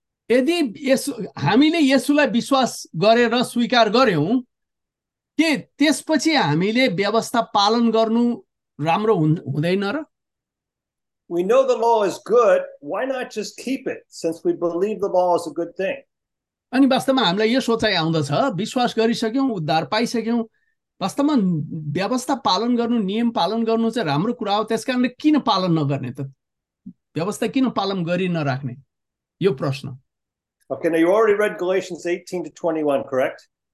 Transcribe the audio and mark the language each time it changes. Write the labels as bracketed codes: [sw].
[ne] यदि हामीले येशूलाई विश्वास गरेर स्वीकार गर्यौँ के त्यसपछि हामीले व्यवस्था पालन गर्नु राम्रो हुँदैन र? [en] We know the law is good. Why not just keep it, since we believe the law is a good thing? [ne] अनि वास्तवमा हामीलाई यो सोचाइ आउँदछ, विश्वास गरिसक्यौँ, उद्धार पाइसक्यौँ, वास्तवमा व्यवस्था पालन गर्नु, नियम पालन गर्नु चाहिँ राम्रो कुरा हो, त्यस कारणले किन पालन नगर्ने त? व्यवस्था किन पालन गरि नराख्ने? यो प्रश्न। [en] Okay, now you already read Galatians 18 to 21, correct?